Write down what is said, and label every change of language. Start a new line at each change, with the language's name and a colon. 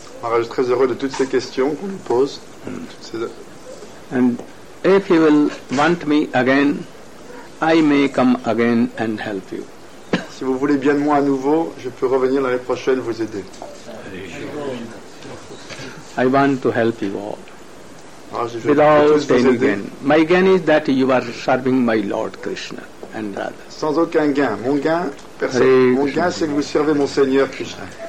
French: Maharaj is très heureux de toutes ces questions qu'on lui pose.
English: And if you will want me again, I may come again and help you.
French: Si vous voulez bien de moi à nouveau, je peux revenir l'année prochaine vous aider.
English: I want to help you all. Maharaj, without any gain. My gain is that you are serving my Lord Krishna and Radha.
French: Sans aucun gain. Mon gain, c'est que vous servez mon Seigneur Krishna.